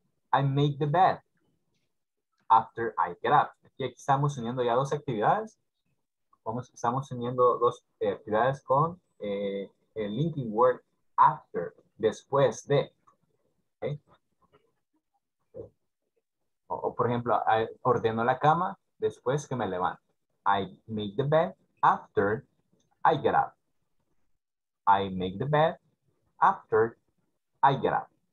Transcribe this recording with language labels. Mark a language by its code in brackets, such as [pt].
[en] I make the bed after I get up. [es] Aquí estamos uniendo ya dos actividades. Estamos uniendo dos actividades con el linking word after, después de. Okay. O por ejemplo, I ordeno la cama después que me levanto. [en] I make the bed after I get up. I make the bed after I get up.